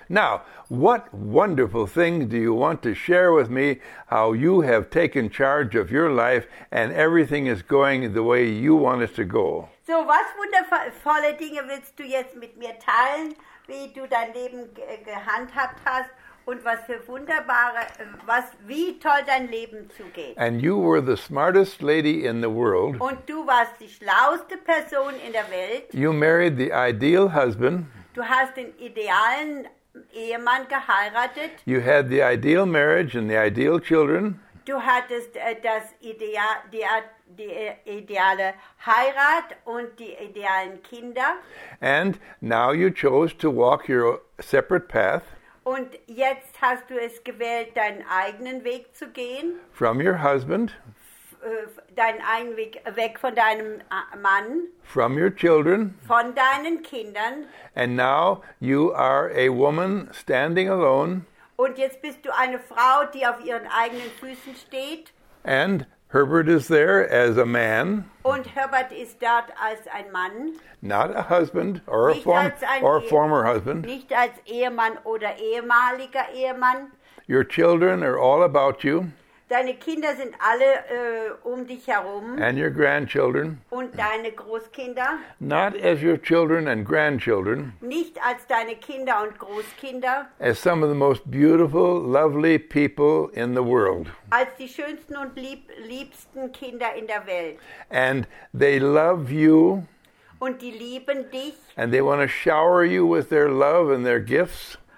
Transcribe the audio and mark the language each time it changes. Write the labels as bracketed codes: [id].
[en] Now, what wonderful thing do you want to share with me how you have taken charge of your life and everything is going the way you want it to go? [de] So, was wundervolle Dinge willst du jetzt mit mir teilen, wie du dein Leben gehandhabt hast? Und was für wunderbare, wie toll dein Leben zugeht. [en] And you were the smartest lady in the world. [de] Und du warst die schlauste Person in der Welt. [en] You married the ideal husband. [de] Du hast den idealen Ehemann geheiratet. [en] You had the ideal marriage and the ideal children. [de] Du hattest die ideale Heirat und die idealen Kinder. [en] And now you chose to walk your separate path. [de] Und jetzt hast du es gewählt, deinen eigenen Weg zu gehen. [en] From your husband. [de] Deinen eigenen Weg weg von deinem Mann. [en] From your children. [de] Von deinen Kindern. [en] And now you are a woman standing alone. [de] Und jetzt bist du eine Frau, die auf ihren eigenen Füßen steht. [en] And Herbert is there as a man. [de] Und Herbert ist dort als ein Mann. [en] Not a husband or a former husband. [de] Nicht als Ehemann oder ehemaliger Ehemann. [en] Your children are all about you. [de] Deine Kinder sind alle dich herum. [en] And your grandchildren. [de] Und deine Großkinder. [en] Not as your children and grandchildren. [de] Nicht als deine Kinder und Großkinder. [en] As some of the most beautiful, lovely people in the world. [de] Als die schönsten und liebsten Kinder in der Welt. [en] And they love you. [de] Und die lieben dich. [en] And they want to shower you with their love and their gifts.